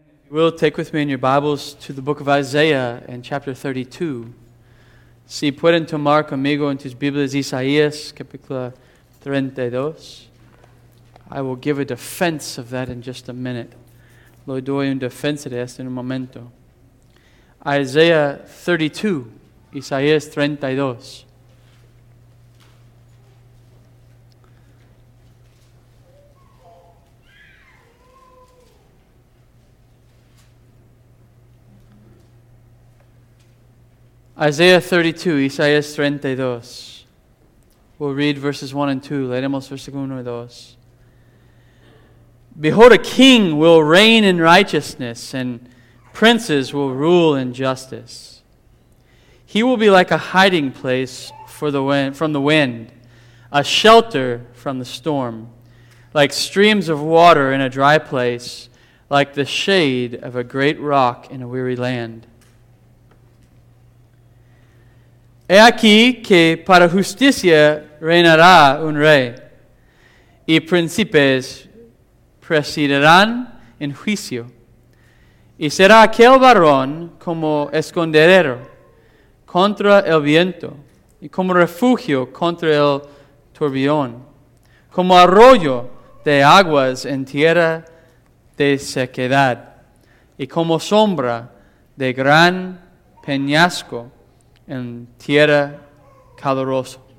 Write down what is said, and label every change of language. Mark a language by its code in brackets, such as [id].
[en] You will take with me in your Bibles to the book of Isaiah in chapter 32. [es] Si pueden tomar conmigo en tus Biblias Isaías, capítulo 32. [en] I will give a defense of that in just a minute. [es] Le doy un defensa de esto en un momento. [en] Isaiah 32, Isaías 32. Isaiah 32, Isaías 32. We'll read verses 1 and 2. [es] Leeremos versículo 1 y 2. [en] Behold, a king will reign in righteousness, and princes will rule in justice. He will be like a hiding place for the wind, from the wind, a shelter from the storm, like streams of water in a dry place, like the shade of a great rock in a weary land. [es] He aquí que para justicia reinará un rey, y príncipes presidirán en juicio, y será aquel varón como esconderero contra el viento, y como refugio contra el turbión, como arroyo de aguas en tierra de sequedad, y como sombra de gran peñasco en tierra calurosa.